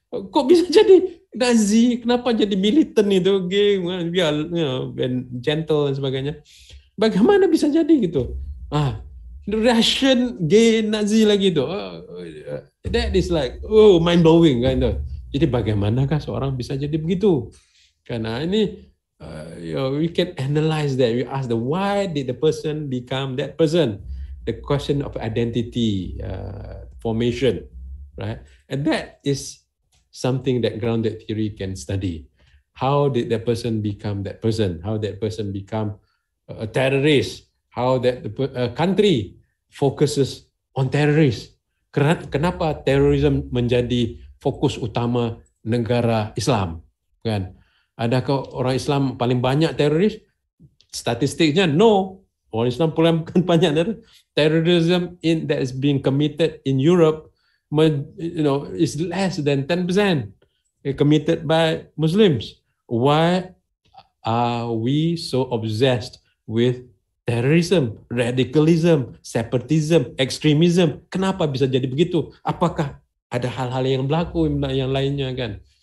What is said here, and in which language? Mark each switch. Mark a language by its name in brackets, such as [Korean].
[Malay] Kok bisa jadi Nazi? Kenapa jadi militant itu gay? Biar, you know, gentle dan sebagainya. Bagaimana bisa jadi gitu? [English] Ah, Russian gay Nazi [Malay] lagi itu. [English] That is like, oh, mind blowing kan itu. [Malay] Jadi bagaimanakah seorang bisa jadi begitu? Karena ini, [English] you know, we can analyze that. We ask the why did the person become that person? The question of identity formation, right? And that is something that grounded theory can study. How did that person become that person? How that person become a terrorist? How that country focuses on terrorists? [Malay] Kenapa terorisme menjadi fokus utama negara Islam, kan? Adakah orang Islam paling banyak teroris? Statistiknya no. Orang Islam paling banyak terorisme [English] in that is being committed in Europe, you know, is less than 10% committed by Muslims. Why are we so obsessed with terrorism, radicalism, separatism, extremism? [Malay] Kenapa bisa jadi begitu? Apakah ada hal-hal yang berlaku yang lainnya kan?